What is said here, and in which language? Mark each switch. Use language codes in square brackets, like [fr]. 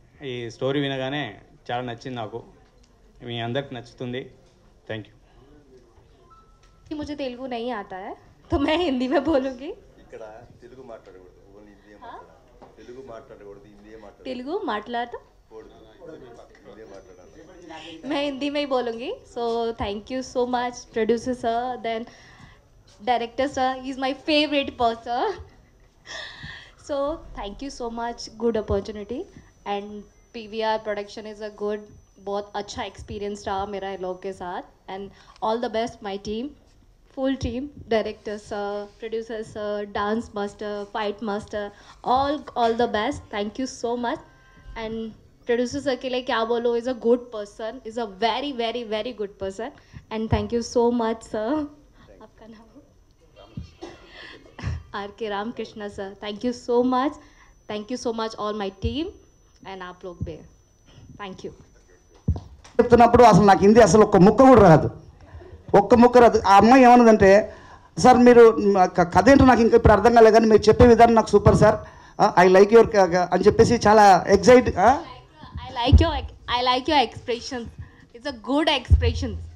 [te] ఈ స్టోరీ వినగానే చాలా నచ్చింది నాకు, మీ అందరికి నచ్చుతుంది. Thank you. [hi] मुझे तेलुगु नहीं आता है तो मैं हिंदी में बोलूंगी. [te] ఇక్కడా తెలుగు మాట్లాడకూడదు, ఓన్లీ హిందీ మాట్లాడాలి. తెలుగు మాట్లాడకూడదు, హిందీ మాట్లాడాలి. తెలుగు మాట్లాడకూడదు, హిందీ మాట్లాడాలి. [hi] मैं हिंदी में ही बोलूंगी. [en] So thank you so much producer sir, then director sir, he is my favourite person. So thank you so much, good opportunity. And PVR production is a good, [hi] बहुत अच्छा एक्सपीरियंस रहा मेरा इन लोगों के साथ. [en] And all the best my team, full team, director sir, producer sir, dance master, fight master, all the best. Thank you so much. And producer sir [hi] के लिए क्या बोलो, [en] Is a good person, is a very very very good person. And thank you so much sir. [hi] आपका नाम [en] R K Ramakrishna sir. Thank you so much. Thank you so much all my team and [hi] आप लोग भी. [en] Thank you. [te] చెప్తున్నప్పుడు అసలు నాకు హిందీ అసలు ఒక్క ముక్క కూడా రాదు, ఒక్క ముక్క రాదు. ఆ అమ్మాయి ఏమన్నదంటే, సార్ మీరు కథ ఏంటో నాకు ఇంకా ఇప్పుడు అర్థం కాలేదు కానీ మీరు చెప్పే విధానం నాకు super sir, [en] I like your [te] అని చెప్పేసి చాలా excite. [en] I like your expression, it's a good expression.